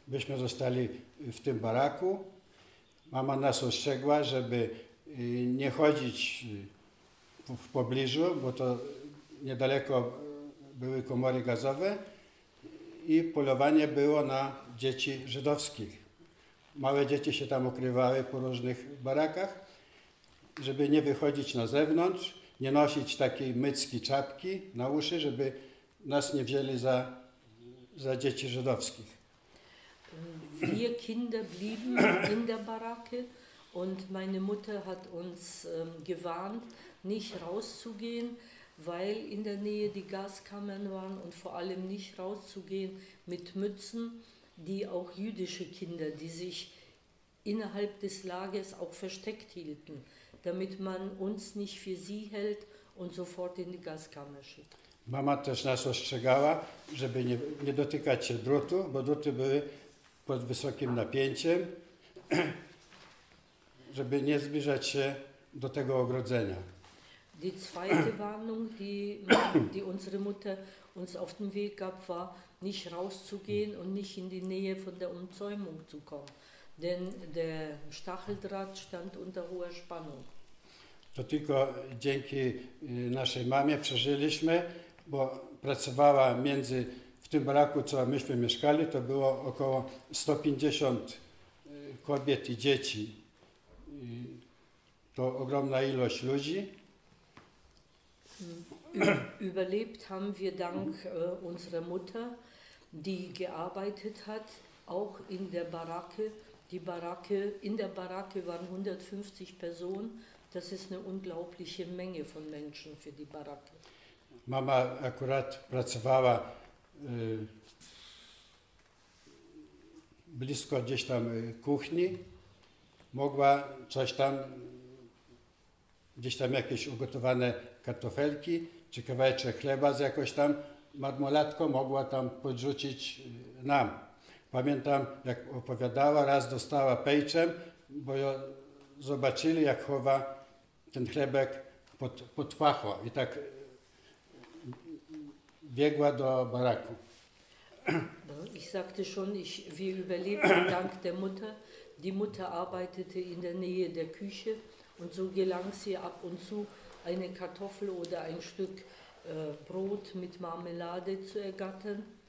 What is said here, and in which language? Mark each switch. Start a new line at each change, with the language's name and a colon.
Polish: Byśmy zostali w tym baraku. Mama nas ostrzegła, żeby nie chodzić w pobliżu, bo to niedaleko były komory gazowe i polowanie było na dzieci żydowskich. Małe dzieci się tam ukrywały po różnych barakach, żeby nie wychodzić na zewnątrz, nie nosić takiej mycki czapki na uszy, żeby nas nie wzięli za dzieci żydowskich.
German: Wir Kinder blieben in der Baracke und meine Mutter hat uns gewarnt, nicht rauszugehen, weil in der Nähe die Gaskammern waren und vor allem nicht rauszugehen mit Mützen, die auch jüdische Kinder, die sich innerhalb des Lagers auch versteckt hielten, damit man uns nicht für sie hält und sofort in die Gaskammer schickt.
Polish: Mama też nas ostrzegała, żeby nie dotykać się drutu, bo druty były pod wysokim napięciem, żeby nie zbliżać się do tego ogrodzenia.
German: Die zweite Warnung, die unsere Mutter uns auf den Weg gab, war nicht rauszugehen und nicht in die Nähe von der Umzäumung zu kommen. Denn der Stacheldraht stand unter hoher Spannung.
Polish: To tylko dzięki naszej mamie przeżyliśmy, bo pracowała między, w tym baraku, co myśmy mieszkali, to było około 150 kobiet i dzieci. To ogromna ilość ludzi.
German: Überlebt haben wir dank unserer Mutter, die gearbeitet hat, auch in der Baracke. In der Baracke waren 150 Personen. Das ist eine unglaubliche Menge von Menschen für die Baracke.
Polish: Mama akurat pracowała blisko gdzieś tam kuchni. Mogła coś tam, gdzieś tam jakieś ugotowane kartofelki, czy kawałeczek chleba z jakąś tam marmolatką mogła tam podrzucić nam. Pamiętam, jak opowiadała, raz dostała pejczem, bo zobaczyli, jak chowa ten chlebek pod pachą i tak biegła do baraku.
German: Ich sagte schon, wir überlebten dank der Mutter. Die Mutter arbeitete in der Nähe der Küche und so gelang sie ab und zu eine Kartoffel oder ein Stück Brot mit Marmelade zu ergattern.